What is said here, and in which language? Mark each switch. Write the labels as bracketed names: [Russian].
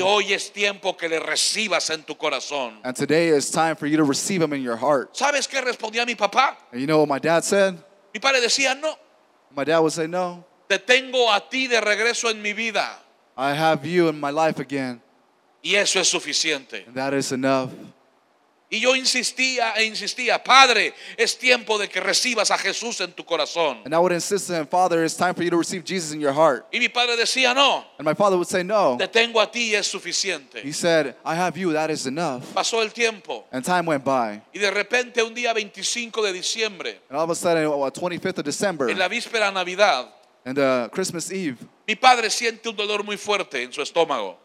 [Spanish] Y hoy es tiempo que le recibas en tu corazón. [English] And today is time for you to receive him in your heart. [Spanish] ¿Sabes qué respondía mi papá? [English] And you know what my dad said? [Spanish] Mi padre decía, no. [English] My dad would say, no. [Spanish] Te tengo a ti de regreso en mi vida. [English] I have you in my life again. [Spanish] Y eso es suficiente. [English] And that is enough. [Spanish] Y yo insistía e insistía, Padre, es tiempo de que recibas a Jesús en tu corazón. [English] And I would insist to him, Father, it's time for you to receive Jesus in your heart. [Spanish] Y mi padre decía, no. [English] And my father would say, no. [Spanish] Te tengo a ti, es suficiente. [English] He said, I have you, that is enough. [Spanish] Pasó el tiempo. [English] And time went by. [Spanish] Y de repente, un día 25 de diciembre. [English] And all of a sudden, 25th of December. [Spanish] En la víspera de Navidad. [English] And Christmas Eve. [Spanish] Mi padre siente un dolor muy fuerte en su estómago.